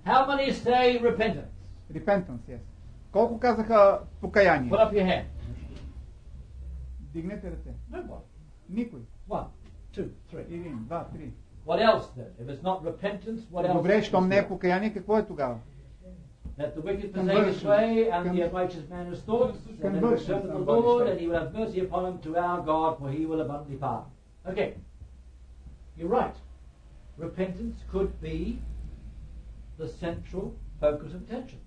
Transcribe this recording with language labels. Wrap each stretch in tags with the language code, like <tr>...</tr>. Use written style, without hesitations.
<en>How many say repentance? Repentance, yes.</en> <bg>Колко казаха покаяние?</bg> <en>Put up your hand.</en> <bg>Дигнете ръце.</bg> <en>Nobody.</en> <bg>Никой.</bg> <en>One, two, three.</en> <bg>Един, два, три.</bg> <en>What else then? If it's not repentance, what else?</en> <bg>Добре, щом не е покаяние, какво е тогава?</bg> <en>That the wicked forsake his way and the righteous man his thoughts, and then return to the Lord, and he will have mercy upon him to our God, for he will abundantly pardon. Okay. You're right. Repentance could be the central focus of attention.</en>